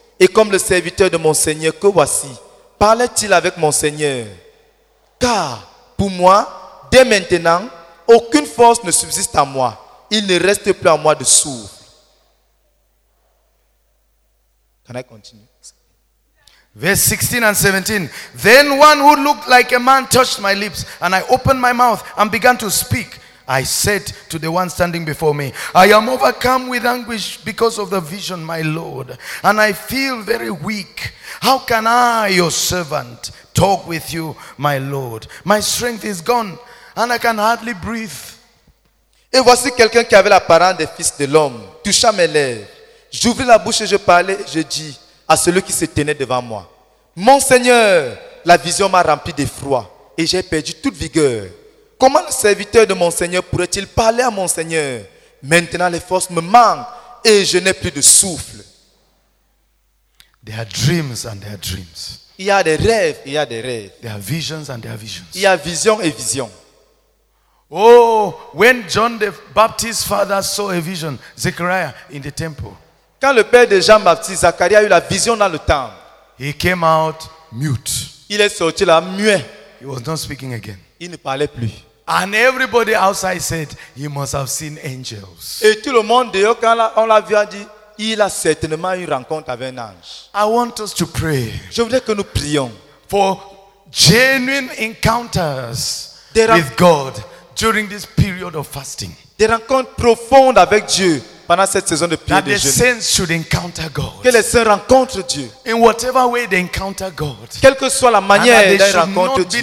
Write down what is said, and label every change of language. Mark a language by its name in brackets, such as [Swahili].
[French] Et comme le serviteur de mon Seigneur, que voici, parlait-il avec mon Seigneur? Car pour moi, dès maintenant, aucune force ne subsiste en moi. Il ne reste plus en moi de souffle. » [English] Can I continue? Verse 16 and 17. Then one who looked like a man touched my lips, and I opened my mouth and began to speak. I said to the one standing before me, I am overcome with anguish because of the vision, my Lord, and I feel very weak. How can I, your servant, talk with you, my Lord? My strength is gone, and I can hardly breathe. [French] Et voici quelqu'un qui avait l'apparence des fils de l'homme, toucha mes lèvres. J'ouvris la bouche et je parlais, je dis à celui qui se tenait devant moi, mon Seigneur, la vision m'a rempli d'effroi et j'ai perdu toute vigueur. Comment le serviteur de mon Seigneur pourrait-il parler à mon Seigneur? Maintenant, les forces me manquent et je n'ai plus de souffle. [English] There are dreams and there are dreams. [French] Il y a des rêves et il y a des rêves. [English] There are visions and there are visions. [French] Il y a vision et vision. [English] Oh, when John the Baptist's father saw a vision, Zechariah in the temple. [French] Quand le père de Jean-Baptiste, Zacharie, a eu la vision dans le temple, [English] he came out mute. [French] Il est sorti là muet. [English] He was not speaking again. [French] Il ne parlait plus. [English] And everybody outside said he must have seen angels. [French] Et tout le monde dehors, quand on l'a vu, a dit il a certainement eu une rencontre avec un ange. [English] I want us to pray. [French] Je voudrais que nous prions [English] for genuine encounters with God during this period of fasting. [French] Des rencontres profondes avec Dieu pendant cette saison de prière de jeûne. [English] That the saints should encounter God. [French] Que les saints rencontrent Dieu. [English] In whatever way they encounter God. [French] Quelle que soit la manière dont ils rencontrent Dieu.